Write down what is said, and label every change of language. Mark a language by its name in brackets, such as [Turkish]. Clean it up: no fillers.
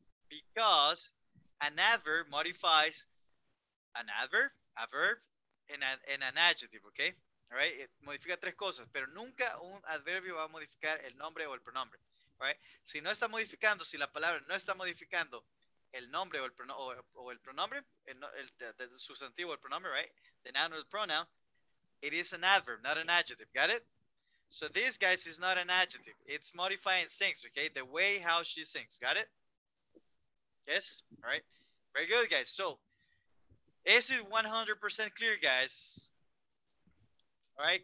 [English] Because an adverb modifies an adverb, a verb, and an adjective, okay? All right? It [Spanish] modifica tres cosas, pero nunca un adverbio va a modificar el nombre o el pronombre, [English] all right? [Spanish] Si no está modificando, si la palabra no está modificando el nombre o el pronombre, el sustantivo o el pronombre, right? [English] The noun or the pronoun, it is an adverb, not an adjective. Got it? So this, guys, is not an adjective. It's modifying things, okay? The way how she sings. Got it? Yes? All right. Very good, guys. So is it 100% clear, guys? All right.